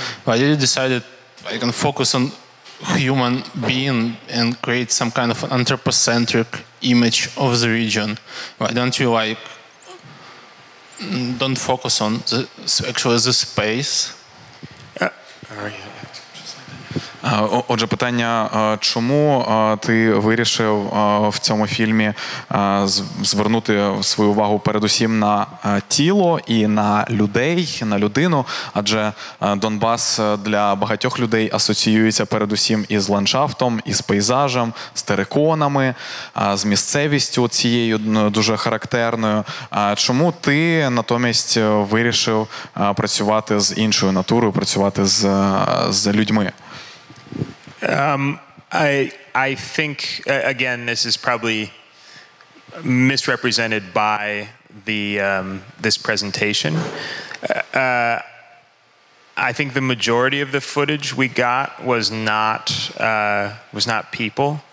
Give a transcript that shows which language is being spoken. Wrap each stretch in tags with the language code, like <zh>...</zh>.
<en>Why did you decide that I can focus on human being and create some kind of anthropocentric image of the region? Why don't you like don't focus on the space.</en> <uk>Отже, питання, чому ти вирішив в цьому фільмі звернути свою увагу передусім на тіло і на людей, на людину? Адже Донбас для багатьох людей асоціюється передусім із ландшафтом, із пейзажем, з териконами, з місцевістю цією дуже характерною. Чому ти натомість вирішив працювати з іншою натурою, працювати з людьми?</uk> <en>I think, again, this is probably misrepresented by this presentation. I think the majority of the footage we got was not people.</en>